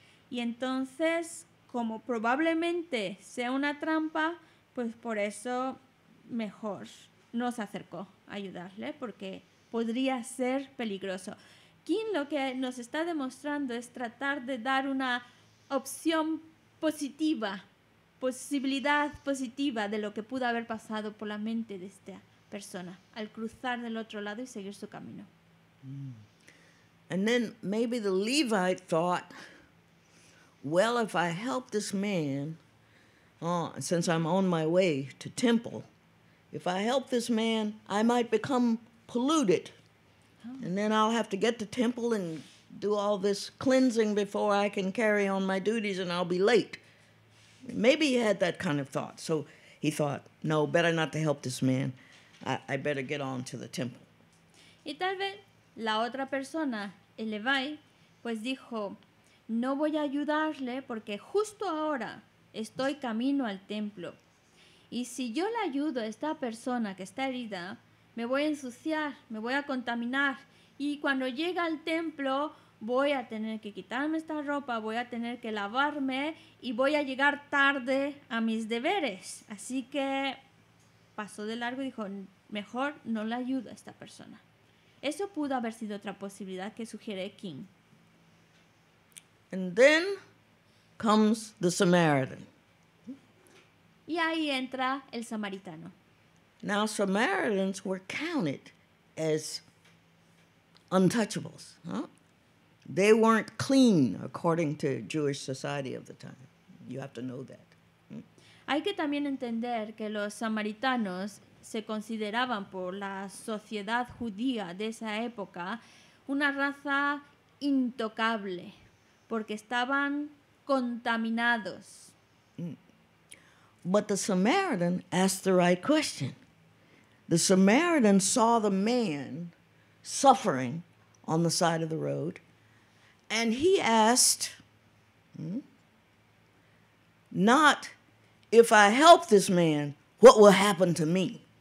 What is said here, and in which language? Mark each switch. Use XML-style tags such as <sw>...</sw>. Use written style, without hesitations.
<es>Y entonces, como probablemente sea una trampa, pues por eso mejor no se acercó a ayudarle porque podría ser peligroso. King lo que nos está demostrando es tratar de dar una opción positiva, posibilidad positiva de lo que pudo haber pasado por la mente de esta persona al cruzar del otro lado y seguir su camino.</es> <en>And then maybe the Levite thought, well, if I help this man, since I'm on my way to temple, if I help this man, I might become polluted. And then I'll have to get to temple and do all this cleansing before I can carry on my duties and I'll be late. Maybe he had that kind of thought. So he thought, no, better not to help this man. I better get on to the temple.</en> <es>Y tal vez la otra persona, el Levi, pues dijo, no voy a ayudarle porque justo ahora estoy camino al templo. Y si yo le ayudo a esta persona que está herida, me voy a ensuciar, me voy a contaminar. Y cuando llegue al templo, voy a tener que quitarme esta ropa, voy a tener que lavarme y voy a llegar tarde a mis deberes. Así que pasó de largo y dijo, mejor no le ayudo a esta persona. Eso pudo haber sido otra posibilidad que sugiere King.</es> <en>And then comes the Samaritan.</en> <es>Y ahí entra el samaritano.</es> <en>Now Samaritans were counted as untouchables, They weren't clean according to Jewish society of the time. You have to know that.</en> <es>Hay que también entender que los samaritanos se consideraban por la sociedad judía de esa época una raza intocable porque estaban contaminados.</es> <en>But the Samaritan asked the right question. The Samaritan saw the man suffering on the side of the road. And he asked, not if I help this man, what will happen to me?</en>